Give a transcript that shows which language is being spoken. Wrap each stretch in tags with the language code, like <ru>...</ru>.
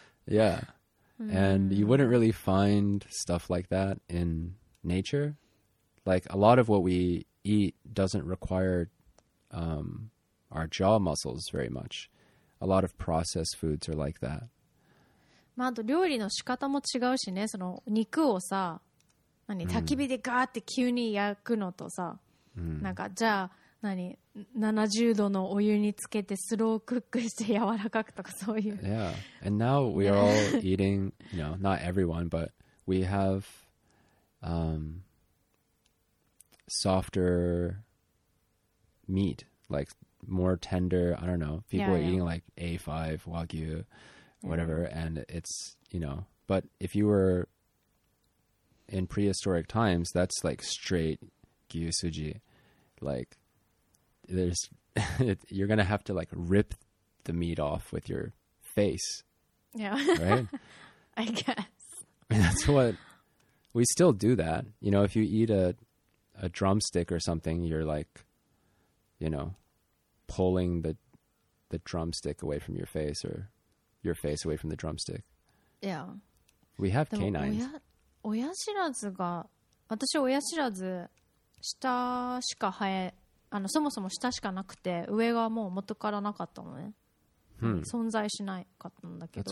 <en>Yeah, and you wouldn't really find stuff like that in nature. Like a lot of what we eat doesn't require our jaw muscles very much. A lot of processed foods are like that.</en> <ja>まあ、あと料理の仕方も違うしね。その肉をさ、何焚き火でガーって急に焼くのとさ、なんかじゃあ何70度のお湯につけてスロークックして柔らかくとかそういう。</ja> <en>Yeah, and now we are all eating. You know, not everyone, but we have softer meat, like. More tender, I don't know. People yeah, are eating like A5 Wagyu, whatever, yeah. and it's, you know. But if you were in prehistoric times, that's like straight Gyu Suji. Like, there's, you're going to have to like rip the meat off with your face. Yeah. Right? I guess. I mean, that's what we still do that. You know, if you eat a drumstick or something, you're like, you know. Pulling the drumstick away from your face or your face away from the drumstick. Yeah. We have canines.</en> <ja>親知らずが、私親知らず、下しか生え、あの、そもそも下しかなくて、上がもう元からなかったのね。存在しないかったんだけど。</ja>